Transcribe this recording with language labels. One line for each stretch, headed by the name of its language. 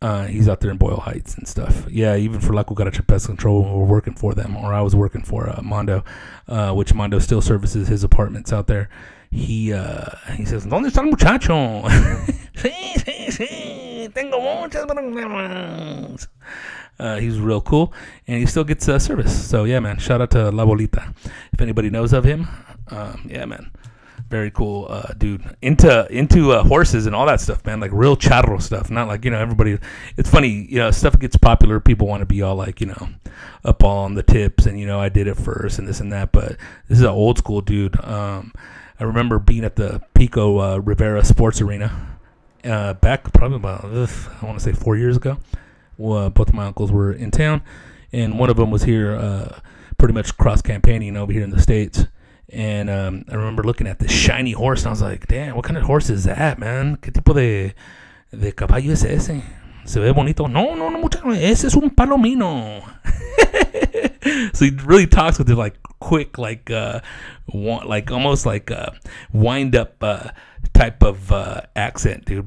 English: He's out there in Boyle Heights and stuff. Yeah, even for La Cucaracha Pest Control, when we were working for them, or I was working for Mondo, which Mondo still services his apartments out there. He says,
Spanish: ¿Dónde está el muchacho? Sí, sí, sí. Tengo muchas problemas.
English: He's real cool, and he still gets service. So, yeah, man, shout out to La Bolita. If anybody knows of him, yeah, man. Very cool dude. Into horses and all that stuff, man. Like real charro stuff. Not like, you know, everybody. It's funny, you know, stuff gets popular. People want to be all like, you know, up on the tips and, you know, I did it first and this and that. But this is an old school dude. I remember being at the Pico Rivera Sports Arena back probably about, I want to say 4 years ago. Both of my uncles were in town. And one of them was here pretty much cross-campaigning over here in the States. And I remember looking at this shiny horse, and I was like, damn, what kind of horse is that, man?
Spanish: ¿Qué tipo de caballo es ese? ¿Se ve bonito? No, no, no, muchacho. Ese es un palomino.
English: So he really talks with it like, quick, almost wind up type of accent, dude.